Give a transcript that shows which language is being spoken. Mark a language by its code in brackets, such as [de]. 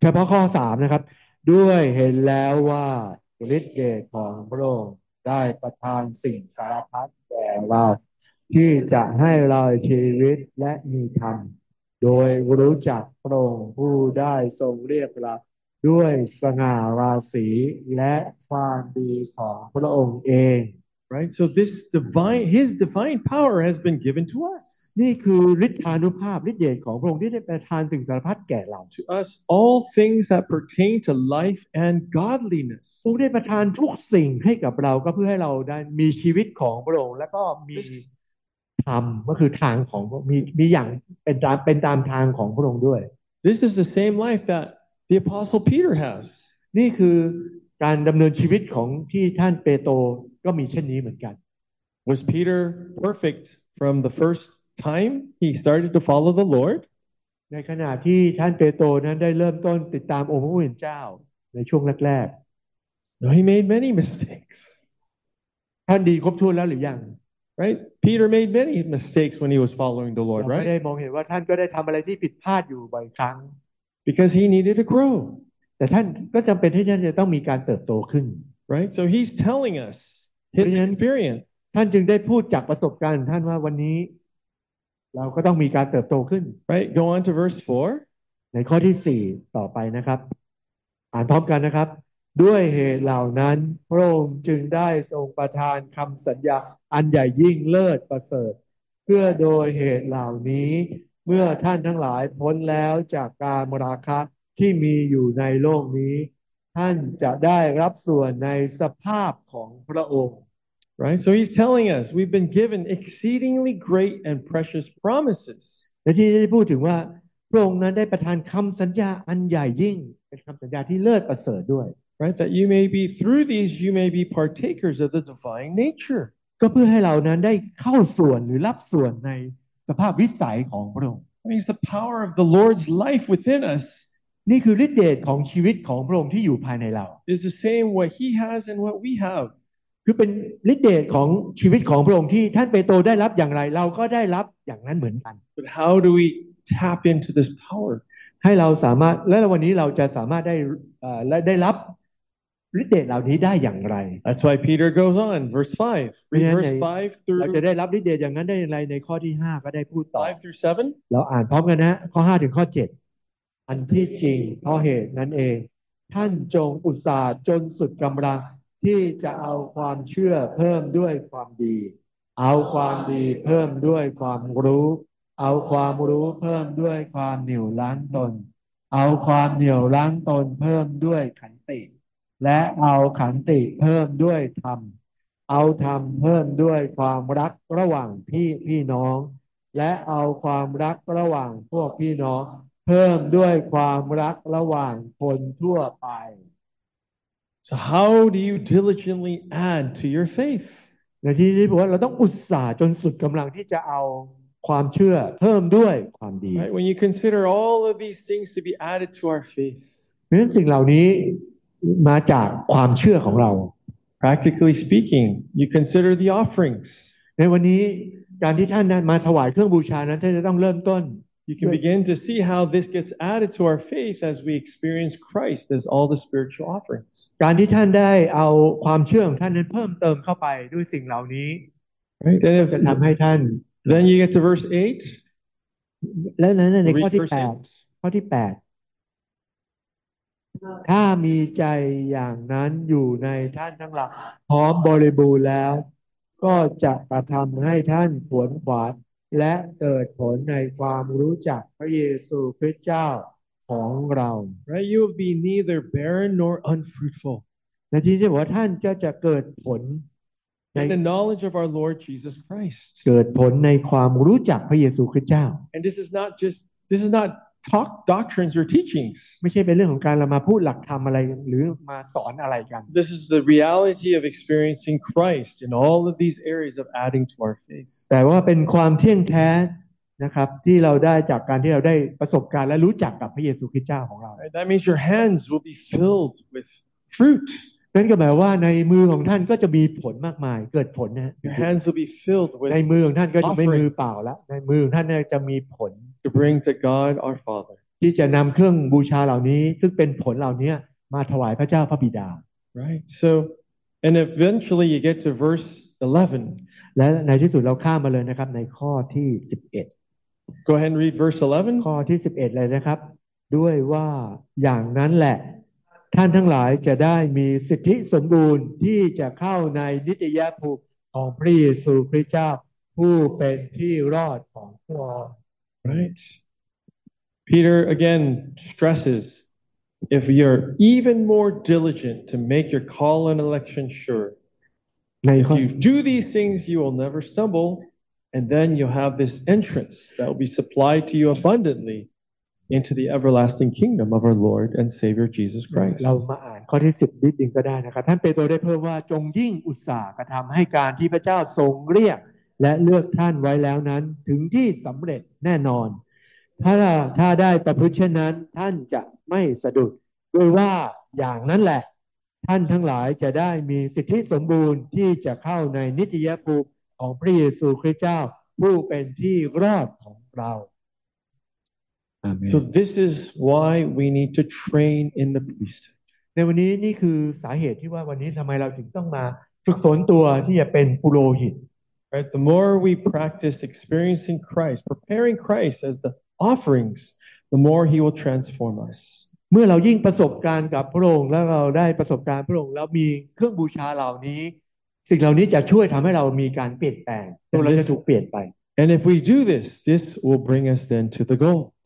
[th] เฉพาะข้อ3นะครับด้วยเห็นแล้วว่าฤทธิ์เดชของพระองค์ได้ประทานสิ่งสารพัดแก่เราที่จะให้เราชีวิตและมีธรรมโดยรู้จักพระองค์ผู้ได้ทรงเรียกเราด้วยสง่าราศีและความดีของพระองค์เอง [en] right so this divine his divine power has been given to us [th] นี่คือฤทธานุภาพฤทธิ์เดชของพระองค์ที่ได้ประทานสิ่งสารพัดแก่เรา [en] to us all things that pertain to life and godliness [th] พระองค์ได้ประทานทุกสิ่งให้กับเราก็เพื่อให้เราได้มีชีวิตของพระองค์และก็มีธรรมก็คือทางของมีอย่างเป็นตามทางของพระองค์ด้วย [en] this is the same life thatThe Apostle Peter has. [th] นี่คือการดำเนินชีวิตของที่ท่านเปโตรก็มีเช่นนี้เหมือนกัน [en] Was Peter perfect from the first time he started to follow the Lord? [th] ในขณะที่ท่านเปโตรนั้นได้เริ่มต้นติดตามองค์พระผู้เป็นเจ้าในช่วงแรก [en] ๆ No, he made many mistakes. [th] ท่านดีครบถ้วนแล้วหรือยัง [en] Right? Peter made many mistakes when he was following the Lord, right? [th] ได้มองเห็นว่าท่านก็ได้ทำอะไรที่ผิดพลาดอยู่บ่อยครั้ง [en] Because he needed to grow. [th] แต่ท่านก็จำเป็นที่ท่านจะต้องมีการเติบโตขึ้น [en] Right? So he's telling us his experience. [th] ท่านจึงได้พูดจากประสบการณ์ท่านว่าวันนี้เราก็ต้องมีการเติบโตขึ้น [en] Right? Go on to verse 4. [th] ในข้อที่4ต่อไปนะครับอ่านพร้อมกันนะครับด้วยเหตุเหล่านั้นพระองค์จึงได้ทรงประทานคำสัญญาอันใหญ่ยิ่งเลิศประเสริฐเพื่อโดยเหตุเหล่านี้เมื่อท่านทั้งหลายพ้นแล้วจากกามราคะที่มีอยู่ในโลกนี้ท่านจะได้รับส่วนในสภาพของพระองค์ [en] Right so he's telling us we've been given exceedingly great and precious promises [th] และที่ได้พูดถึงว่าพระองค์นั้นได้ประทานคำสัญญาอันใหญ่ยิ่งเป็นคำสัญญาที่เลิศประเสริฐด้วย [en] Right that you may be through these you may be partakers of the divine nature [th] ก็เพื่อให้เรานั้นได้เข้าส่วนหรือรับส่วนในสภาพวิสัยของพระองค์ [en] I mean, it's the power of the Lord's life within us [th] นี่คือฤทธิ์เดชของชีวิตของพระองค์ที่อยู่ภายในเรา [en] It's the same what he has and what we have [th] คือเป็นฤทธิ์เดชของชีวิตของพระองค์ที่ท่านเปโตรได้รับอย่างไรเราก็ได้รับอย่างนั้นเหมือนกัน [en] But how do we tap into this power [th] ให้เราสามารถและวันนี้เราจะสามารถได้และได้รับฤทธิ์เดชเหล่านี้ได้อย่างไร [en] That's why Peter goes on verse 5 read verse 5 through [th] เราจะได้รับฤทธิ์เดชอย่างนั้นได้อย่างไรในข้อที่5ก็ได้พูดต่อ [en] 5 through 7 [th] เราอ่านพร้อมกันนะข้อ5ถึงข้อ7อันที่จริงเพราะเหตุนั้นเองท่านจงอุตส่าห์จนสุดกำลังที่จะเอาความเชื่อเพิ่มด้วยความดีเอาความดีเพิ่มด้วยความรู้เอาความรู้เพิ่มด้วยความเหนี่ยวล้างตนเอาความเหนี่ยวล้างตนเพิ่มด้วยขันติและเอาขันติเพิ่มด้วยธรรม เอาธรรมเพิ่มด้วยความรักระหว่างพี่น้องและเอาความรักระหว่างพวกพี่น้องเพิ่มด้วยความรักระหว่างคนทั่วไป [en] So how do you diligently add to your faith? [th] ในที่นี้บอกว่าเราต้องอุตส่าห์จนสุดกำลังที่จะเอาความเชื่อเพิ่มด้วยความดี [en] Right when you consider all of these things to be added to our faith. [th] เพราะฉะนั้นสิ่งเหล่านี้มาจากความเชื่อของเรา [en] Practically speaking, you consider the offerings. [th] ในวันนี้การที่ท่านมาถวายเครื่องบูชานั้นท่านจะต้องเริ่มต้น [en] You can begin to see how this gets added to our faith as we experience Christ as all the spiritual offerings. [th] การที่ท่านได้เอาความเชื่อของท่านนั้นเพิ่มเติมเข้าไปด้วยสิ่งเหล่านี้ [en] Right then [th] จะทำให้ท่าน [en] Then you get to verse 8. [th] แล้วนั้นในข้อที่8ข้อที่8ถ้ามีใจอย่างนั้นอยู่ในท่านทั้งหลายพร้อมบริบูรณ์แล้วก็จะกระทำให้ท่านผลขวัญและเกิดผลในความรู้จักพระเยซูคริสต์เจ้าของเรา [en] Right you will be neither barren nor unfruitful [th] ในที่นี้บอกว่าท่านก็จะเกิดผล [en] In the knowledge of our Lord Jesus Christ [th] เกิดผลในความรู้จักพระเยซูคริสต์เจ้า [en] And this is not talk doctrines or teachings [th] ไม่ใช่เป็นเรื่องของการเรามาพูดหลักธรรมอะไรหรือมาสอนอะไรกัน [en] This is the reality of experiencing Christ in all of these areas of adding to our faith [th] แต่ว่าเป็นความเที่ยงแท้นะครับที่เราได้จากการที่เราได้ประสบการณ์และรู้จักกับพระเยซูคริสต์เจ้าของเรา [en] That means your hands will be filled with fruit [th] นั่นก็หมายว่าในมือของท่านก็จะมีผลมากมายเกิดผลนะ [en] Your hands will be filled with [th] ในมือของท่านก็จะไม่มือเปล่าละในมือของท่านจะมีผล [en] To bring to God our Father. [th] ที่จะนำเครื่องบูชาเหล่านี้ซึ่งเป็นผลเหล่านี้มาถวายพระเจ้าพระบิดา [en] Right. So, and eventually you get to verse 11. [th] และในที่สุดเราข้ามมาเลยนะครับในข้อที่11. [en] Go ahead and read verse 11. [th] ข้อที่11เลยนะครับด้วยว่าอย่างนั้นแหละท่านทั้งหลายจะได้มีสิทธิสมบูรณ์ที่จะเข้าในนิติยภูมิของพระเยซูคริสต์เจ้าผู้เป็นที่รอดของพระองค์ [en] Right. Peter again stresses if you're even more diligent to make your call and election sure. If you do these things, you will never stumble, and then you'll have this entrance that will be supplied to you abundantly into the everlasting kingdom of our Lord and Savior Jesus Christ. [th] เรามาอ่านข้อที่10นิดนึงก็ได้นะครับท่านเปโตรได้เพิ่มว่าจงยิ่งอุตส่าห์กระทำให้การที่พระเจ้าทรงเรียกและเลือกท่านไว้แล้วนั้นถึงที่สำเร็จแน่นอนถ้าได้ประพฤติเช่นนั้นท่านจะไม่สะดุดด้วยว่าอย่างนั้นแหละท่านทั้งหลายจะได้มีสิทธิสมบูรณ์ที่จะเข้าในนิติยภูมิของพระเยซูคริสต์เจ้าผู้เป็นที่รอดของเรา [en] Amen. So this is why we need to train in the priesthood. [th] ในวันนี้นี่คือสาเหตุที่ว่าวันนี้ทำไมเราถึงต้องมาฝึกฝนตัวที่จะเป็นปุโรหิต [en] Right, the more we practice experiencing Christ, preparing Christ as the offerings, the more He will transform us. [th] เมื่อเรายิ่งประสบการณ์กับพระองค์แล้วเราได้ประสบการณ์พระองค์แล้วมีเครื่องบูชาเหล่านี้สิ่งเหล่านี้จะช่วยทำให้เรามีการเปลี่ยนแปลงตัวเราจะถูกเปลี่ยนไป [en] And if we do this, this will bring us then to the goal.